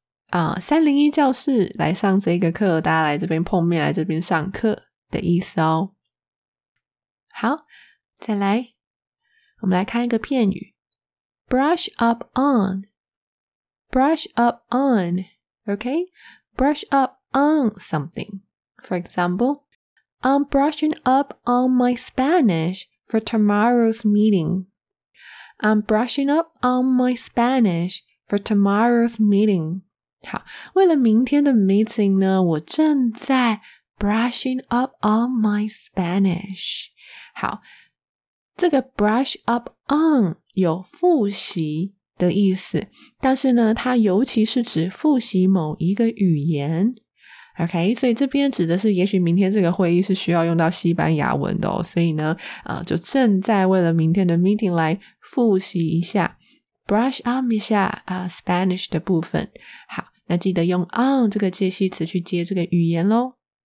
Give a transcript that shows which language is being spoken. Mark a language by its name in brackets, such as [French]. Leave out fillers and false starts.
[Chinese] 301教室来上这个课大家来这边碰面来这边上课的意思哦好再来我们来看一个片语 Brush up on Brush up on OK Brush upon something. [English] For example, I'm brushing up on my Spanish for tomorrow's meeting. I'm brushing up on my Spanish for tomorrow's meeting. [Chinese] 好，为了明天的 meeting 呢，我正在 brushing up on my Spanish. 好，这个 brush up on 有复习的意思，但是呢，它尤其是指复习某一个语言。 OK, 所以这边指的是也许明天这个会议是需要用到西班牙文的哦所以呢就正在为了明天的 meeting 来复习一下 brush up 一下Spanish 的部分好那记得用 on 这个介系词去接这个语言咯